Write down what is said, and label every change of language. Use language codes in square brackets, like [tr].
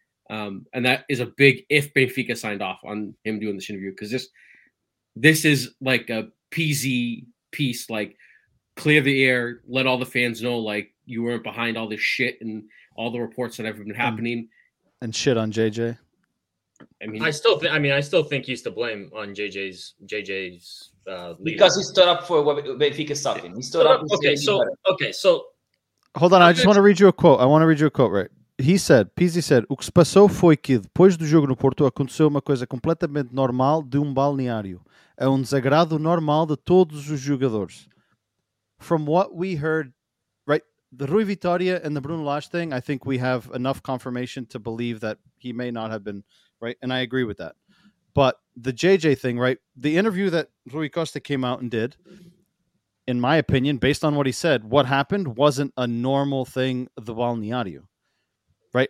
[en] And that is a big, if Benfica signed off on him doing this interview, because this is like a PZ piece, like clear the air, let all the fans know, like you weren't behind all this shit and all the reports that have been happening. And shit on JJ. I still think he's to blame on JJ's leader. Because he stood up for what Benfica sucking. He stood up. Okay, so. Hold on. I just want to read you a quote. Right. He said, Pizzi said, [pt] o que se passou foi que depois do jogo no Porto aconteceu uma coisa completamente normal de balneário. É desagrado normal de todos os jogadores. [en] From what we heard, right, the Rui Vitória and the Bruno Lage thing, I think we have enough confirmation to believe that he may not have been, right? And I agree with that. But the JJ thing, right, the interview that Rui Costa came out and did, in my opinion, based on what he said, what happened wasn't a normal thing, the balneário. Right.